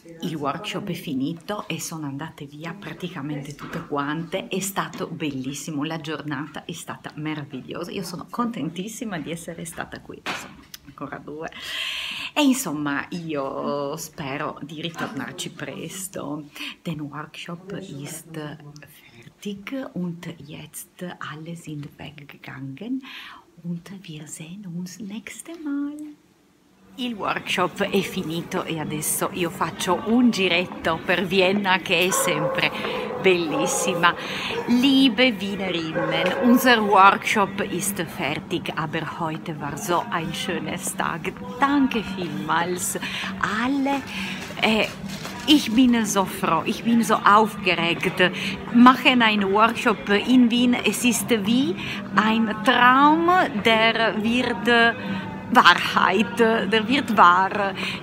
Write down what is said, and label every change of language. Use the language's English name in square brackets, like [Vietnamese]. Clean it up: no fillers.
[Italian] Il workshop è finito e sono andate via praticamente tutte quante. È stato bellissimo. La giornata è stata meravigliosa. Io sono contentissima di essere stata qui. Ancora due. E insomma, io spero di ritornarci presto. [German] Den Workshop ist fertig und jetzt alle sind weggegangen und wir sehen uns nächste Mal. [Italian] Il workshop è finito e adesso io faccio un giretto per Vienna, che è sempre bellissima. [German] Liebe Wienerinnen, unser Workshop ist fertig, aber heute war so ein schönes Tag. Danke vielmals alle. Ich bin so froh, ich bin so aufgeregt. Machen einen Workshop in Wien, es ist wie ein Traum, der wird Wahrheit, der wird wahr.